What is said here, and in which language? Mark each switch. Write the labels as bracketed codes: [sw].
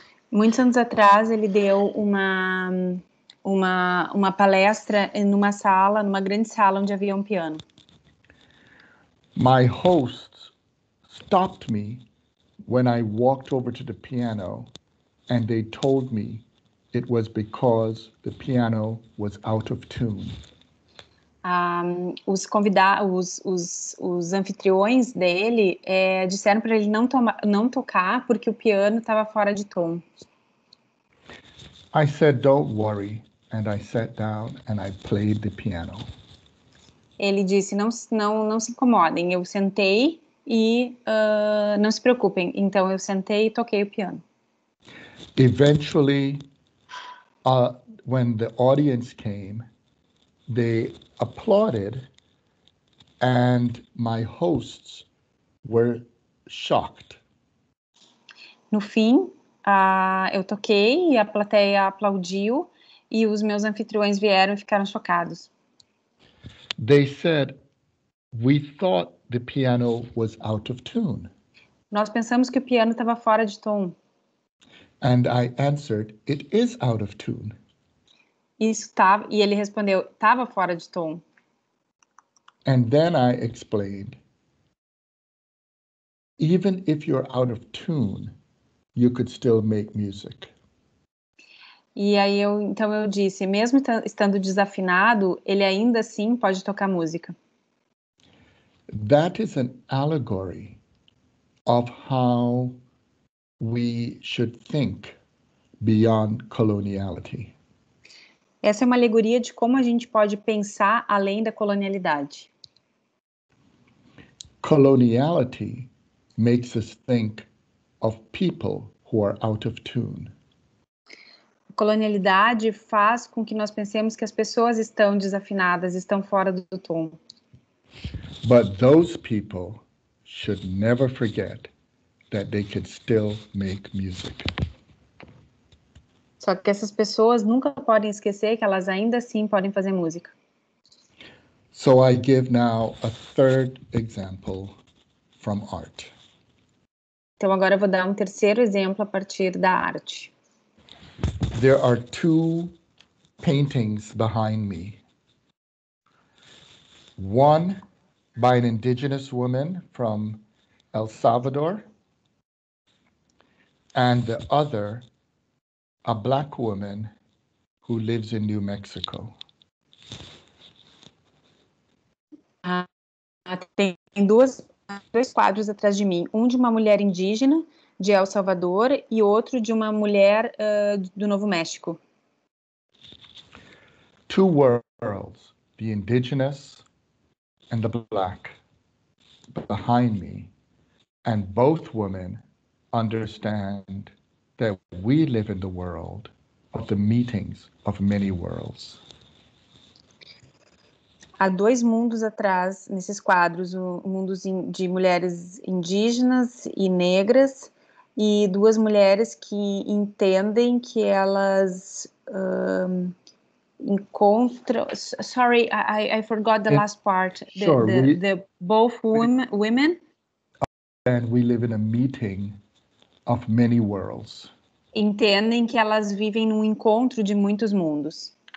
[pt] Muitos anos atrás, ele deu uma palestra numa sala, numa grande sala onde havia um piano. [en] My host stopped me when I walked over to the piano and they told me it was because the piano was out of tune. [pt] Os anfitriões dele disseram para ele não tocar porque o piano estava fora de tom. [en] I said, "Don't worry," and I sat down and I played the piano. [pt] Ele disse, não se incomodem, eu sentei e não se preocupem. Então, eu sentei e toquei o piano. [en] Eventually, when the audience came, they applauded and my hosts were shocked. [pt] No fim, eu toquei e a plateia aplaudiu e os meus anfitriões vieram e ficaram chocados. [en] They said, "We thought the piano was out of tune." [pt] Nós pensamos que o piano estava fora de tom. [en] And I answered, "It is out of tune." [pt] isso tava, e ele respondeu, tava fora de tom. [en] And then I explained, even if you're out of tune, you could still make music. [pt] E aí eu, então eu disse, mesmo estando desafinado, ele ainda assim pode tocar música. [en] That is an allegory of how we should think beyond coloniality. [pt] Essa é uma alegoria de como a gente pode pensar além da colonialidade. [en] Coloniality makes us think of people who are out of tune. [pt] Colonialidade faz com que nós pensemos que as pessoas estão desafinadas, estão fora do tom. [en] But those people should never forget that they could still make music. [pt] Só que essas pessoas nunca podem esquecer que elas ainda assim podem fazer música. [en] So I give now a third example from art. [pt] Então agora eu vou dar um terceiro exemplo a partir da arte. [en] There are two paintings behind me. One by an indigenous woman from El Salvador, and the other, a black woman who lives in New Mexico. [pt] Tem dois quadros atrás de mim, um de uma mulher indígena de El Salvador e outro de uma mulher do Novo México. [en] Two worlds, the indigenous and the black, behind me, and both women understand that we live in the world of the meetings of many worlds. [pt] Há dois mundos atrás, nesses quadros, o mundo de mulheres indígenas e negras, e duas mulheres que entendem que elas encontram... [en] Sorry, I forgot the last part. Both women. And we live in a meeting of many worlds. [pt] Entendem que elas vivem num encontro de muitos mundos.